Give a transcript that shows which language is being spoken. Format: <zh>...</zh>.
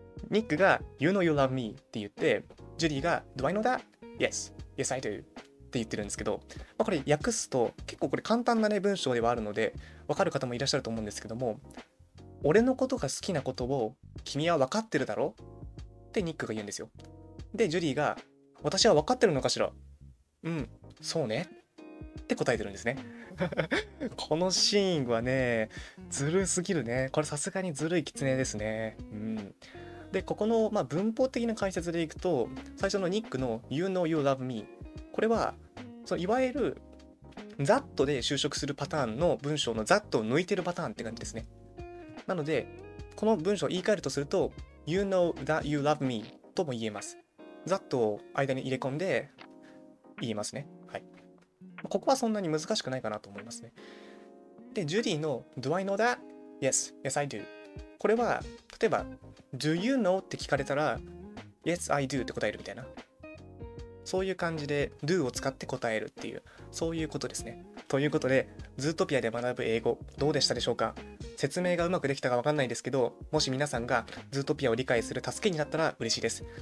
<en>ニックが You know you love me</en> <ja>って言って、ジュリーが</ja> <en>Do I know that? Yes. Yes, I do.</en> <ja>って言ってるんですけど、まあ、これ訳すと結構これ簡単なね、文章ではあるので分かる方もいらっしゃると思うんですけども、俺のことが好きなことを君は分かってるだろってニックが言うんですよ。で、ジュリーが私は分かってるのかしら、うん、そうねって答えてるんですね。このシーンはね、ずるすぎるね。これさすがにずるい狐ですね、うん。で、ここの、まあ、文法的な解説でいくと、最初のニックの</ja> <en>You know you love me、</en> <ja>これはそのいわゆる that で就職するパターンの文章の that を抜いてるパターンって感じですね。なので、この文章を言い換えるとすると</ja> <en>You know that you love me</en> <ja>とも言えます。 that を間に入れ込んで言えますね、はい。ここはそんなに難しくないかなと思いますね。で、ジュディの</ja> <en>Do I know that? Yes, yes I do。</en> <ja>これは例えば</ja> <en>Do you know?</en> <ja>って聞かれたら</ja> <en>Yes, I do</en> <ja>って答えるみたいな。そういう感じで do を使って答えるっていう、そういうことですね。ということで、ズートピアで学ぶ英語どうでしたでしょうか。説明がうまくできたかわかんないですけど、もし皆さんがズートピアを理解する助けになったら嬉しいです。</ja>